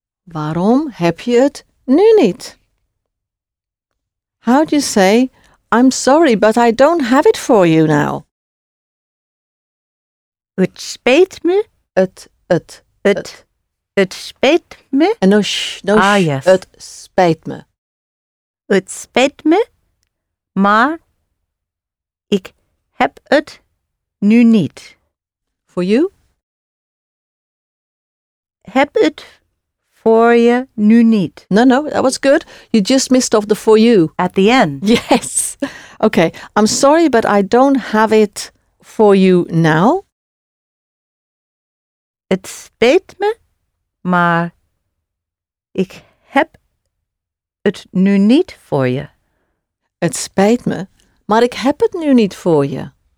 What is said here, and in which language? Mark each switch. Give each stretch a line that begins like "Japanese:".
Dutch: Waarom heb je het nu niet?
English: How do you say, I'm sorry, but I don't have it for you now?
Dutch: Het spijt me. Het spijt me.
English: No, shh, no, shh. Ah, yes.
Dutch: Het spijt me. het spijt me, maar ik heb het nu niet.
English: For you?
Dutch: Heb het voor je nu niet.
English: No, no, that was good. You just missed off the for you. At the end. Yes. Okay, I'm sorry, but I don't have it for you now.
Dutch: Het spijt me, maar ik heb het nu niet voor je. Het spijt me, maar ik heb het nu niet voor je.